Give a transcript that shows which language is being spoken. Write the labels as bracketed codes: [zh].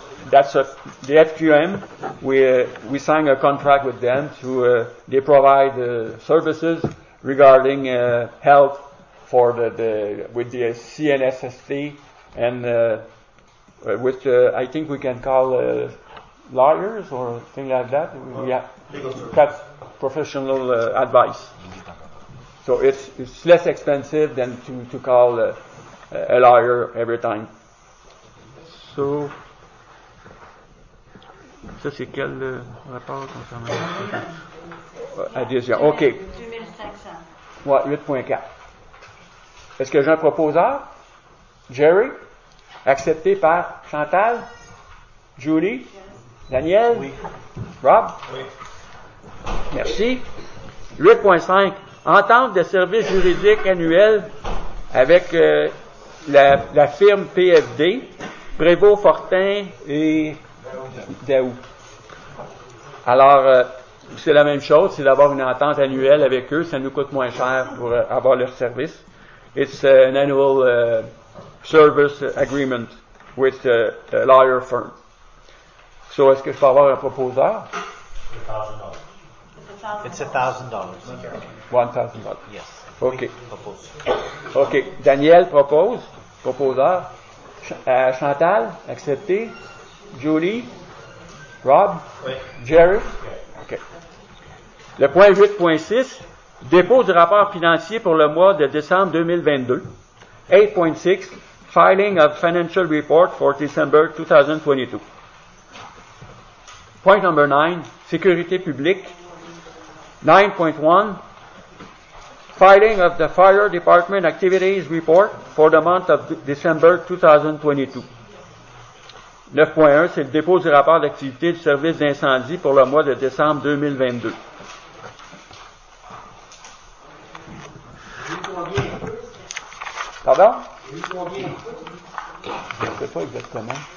[en] that's a, the FQM, we sign a contract with them to, they provide services regarding health for the with the CNSST and with I think we can call lawyers or things like that. Well, yeah, that's professional advice. So it's less expensive than to call a lawyer every time. [fr] So, ça c'est quel rapport concernant la question? Adhésion, ok. 2500. Ouais, 8.4. Est-ce que j'ai un proposeur? Jerry? Accepté par Chantal? Julie? [en] Yes. Daniel? [fr] Oui. Rob? Oui. Merci. 8.5. Entente de services juridiques annuels avec la firme PFD, Prévost, Fortin et Daou. Alors, c'est la même chose, c'est d'avoir une entente annuelle avec eux, ça nous coûte moins cher pour avoir leur service. [en] It's an annual service agreement with a lawyer firm. [fr] So, est-ce que je peux avoir un proposeur? [en] It's $1,000. $1,000. Yes. Okay. Propose. [fr] Okay. Daniel propose. Proposeur. Chantal, accepté. Julie. Rob. Oui. Jerry. [en] Okay. [fr] Okay. Le point 8.6. Dépôt du rapport financier pour le mois de décembre 2022. [en] 8.6. Filing of financial report for December 2022. Point number 9. [fr] Sécurité publique. [en] 9.1, filing of the Fire Department Activities Report for the month of December 2022. [fr] 9.1, c'est le dépôt du rapport d'activité du service d'incendie pour le mois de décembre 2022. Pardon? Je ne sais pas exactement.